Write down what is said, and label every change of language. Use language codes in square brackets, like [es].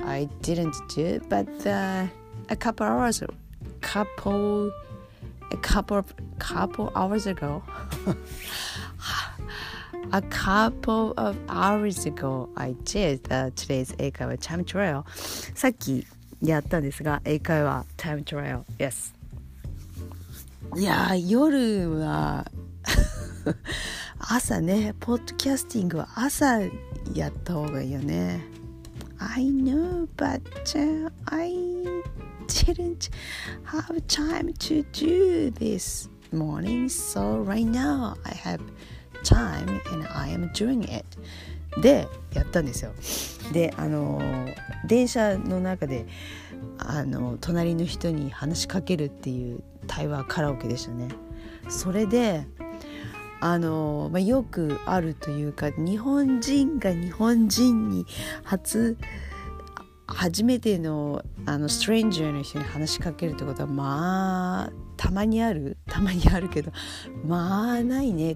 [en] I didn't do, but a couple of hours ago, a couple of hours ago, I did today's 英会話 time trial. [ja] さっきやったんですが、英会話 time trial. Yes. いやー、夜は。朝ね、ポッドキャスティングは朝やった方がいいよね。 [en] I know, but I didn't have time to do this morning, so right now I have time and I am doing it. [ja] で、やったんですよ。で、電車の中で、隣の人に話しかけるっていう対話カラオケでしたね。それで、よくあるというか、日本人が日本人に初めての、 ストレンジャーの人に話しかけるってことは、まあたまにあるけど、まあないね。